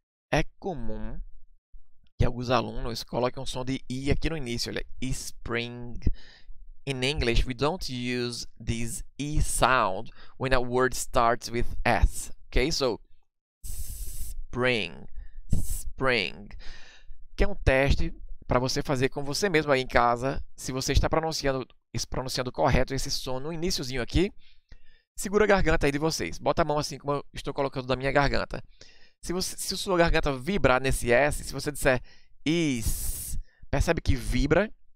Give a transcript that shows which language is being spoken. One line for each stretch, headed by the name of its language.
Portuguese: É comum que alguns alunos coloquem um som de i aqui no início, olha.
English: Spring. In English, we don't use this e sound when a word starts with s. Okay? So, spring, spring.
Portuguese: Que é um teste para você fazer com você mesmo aí em casa, se você está pronunciando correto esse som no iniciozinho aqui. Segura a garganta aí de vocês. Bota a mão assim como eu estou colocando da minha garganta. Se sua garganta vibrar nesse S, se você disser is, percebe que vibra.